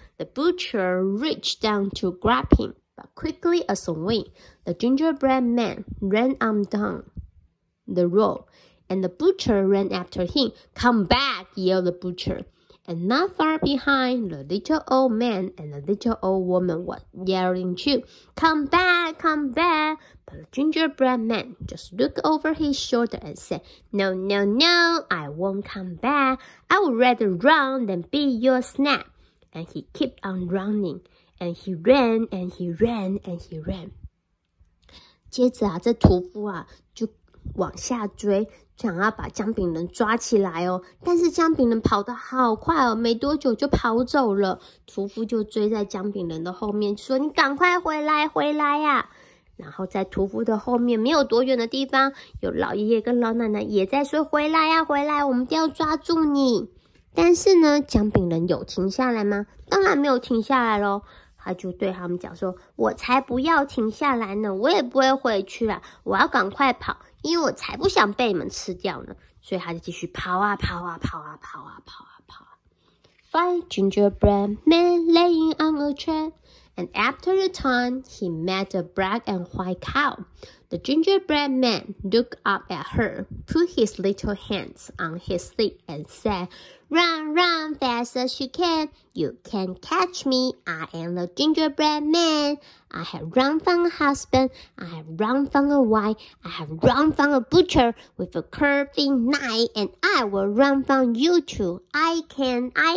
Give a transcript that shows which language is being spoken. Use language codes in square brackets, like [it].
[en] The butcher reached down to grab him But quickly as a wing The gingerbread man ran on down the road And the butcher ran after him Come back yelled the butcherAnd not far behind, the little old man and the little old woman were yelling too, Come back, come back. But the gingerbread man just looked over his shoulder and said, No, no, no, I won't come back. I would rather run than be your snack. And he kept on running. And he ran, and he ran, and he ran. [zh] 接着啊，这屠夫啊，就往下追。想要把姜饼人抓起来哦但是姜饼人跑得好快哦没多久就跑走了屠夫就追在姜饼人的后面说你赶快回来回来呀、啊、然后在屠夫的后面没有多远的地方有老爷爷跟老奶奶也在说回来呀、啊、回来我们一定要抓住你但是呢姜饼人有停下来吗当然没有停下来咯他就对他们讲说我才不要停下来呢我也不会回去啦我要赶快跑因为我才不想被你们吃掉呢所以他就继续跑啊跑啊跑啊跑啊跑啊跑啊 [en] Five gingerbread men laying on a tree And after a time he met a black and white cow The gingerbread man looked up at her Put his little hands on his sleeve and said Run run fast as you can You can catch me I am the gingerbread man I have run from a husband I have run from a wife I have run from a butcher With a curving knife And I will run from you too I can